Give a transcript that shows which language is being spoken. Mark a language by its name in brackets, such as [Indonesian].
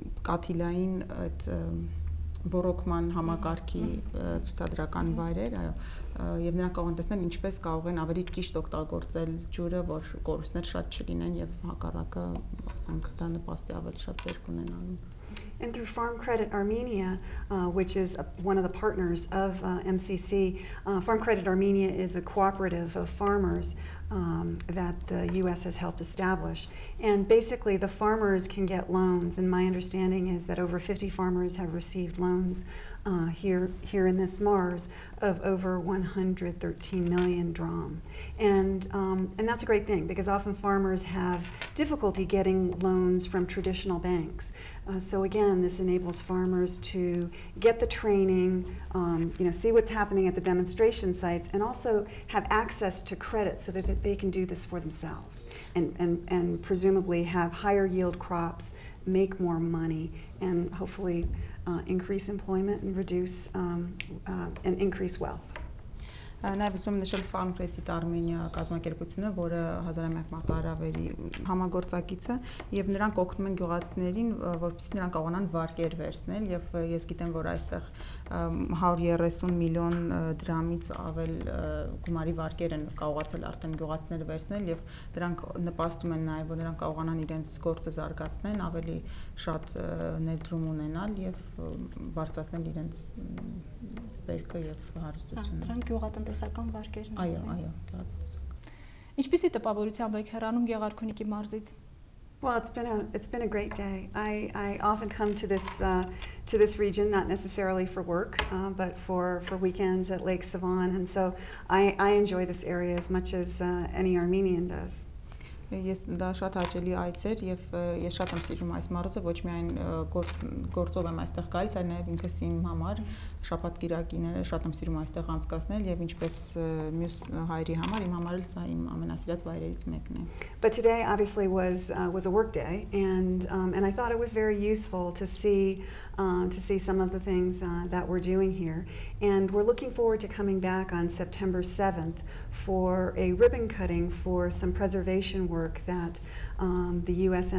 [Armenian] կաթիլային այդ բորոքման համակարգի ցուցադրական վայրեր, այո, եւ նրանք կարող են տեսնել ինչպես կարող են ավելի ճիշտ օգտագործել ջուրը, որ կորուստներ շատ չլինեն եւ հակառակը, ասենք, դա նպաստի ավելի շատ դեր կունենան։ [English] And through Farm Credit Armenia, which is one of the partners of MCC, Farm Credit Armenia is a cooperative of farmers that the U.S. has helped establish. And basically, the farmers can get loans. And my understanding is that over 50 farmers have received loans here in this Mars of over 113 million dram. And that's a great thing because often farmers have difficulty getting loans from traditional banks. So again, this enables farmers to get the training, you know, see what's happening at the demonstration sites, and also have access to credit so that they can do this for themselves and presumably have higher yield crops, make more money, and hopefully increase employment and reduce and increase wealth. [Armenian] նաև ուզում եմ նշել Farm Credit Armenia կազմակերպությունը, որը հազարամյակ մատարավերի համագործակիցը, եւ նրանք օգնում են գյուղացիներին, որպեսզի նրանք կարողանան վարկեր վերցնել, եւ ես գիտեմ, որ այստեղ 130 միլիոն դրամից ավել գումարի վարկեր են կարողացել արդեն գյուղացիները վերցնել, եւ դրանք նպաստում են նաեւ, որ նրանք կարողանան իրենց գործը զարգացնել, ավելի շատ ներդրում ունենալ եւ բարձրացնել իրենց բերքը եւ հարստությունը։ Դրանք գյուղատնտեսական վարկեր են։ Այո, այո, գյուղատնտեսական։ Ինչպիսի տպավորությամբ եք հեռանում Գեղարքունիքի մարզից։ [English] Well, it's been a great day. I often come to this region, not necessarily for work, but for weekends at Lake Sevan, and so I enjoy this area as much as any Armenian does. [Armenian] Ես դա շատ հաճելի այց էր եւ ես շատ եմ սիրում այս մարզը, ոչ միայն գործով եմ այստեղ գալիս, այլ նաեւ ինքս իմ համար շաբաթկիրակիները շատ եմ սիրում այստեղ անցկացնել եւ ինչպես մյուս հայերի համար իմ համար էլ սա իմ ամենասիրած վայրերից մեկն է. [English] But today obviously was a work day and I thought it was very useful to see some of the things that we're doing here, and we're looking forward to coming back on September 7th for a ribbon cutting for some preservation work that the U.S.